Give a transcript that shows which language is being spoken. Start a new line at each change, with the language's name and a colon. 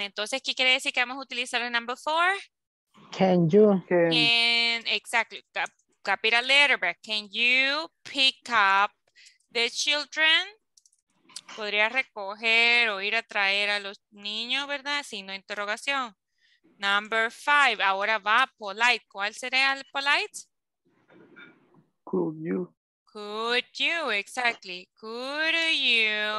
Spanish: Entonces, ¿qué quiere decir que vamos a utilizar el number four?
English: Can you? Can, exactly. Copy the letter, but can you pick up the children?
Spanish: Podría recoger o ir a traer a los niños, ¿verdad? Signo de interrogación. Number five. Ahora va polite. ¿Cuál sería el polite?
English: Could you. Could you, exactly. Could you.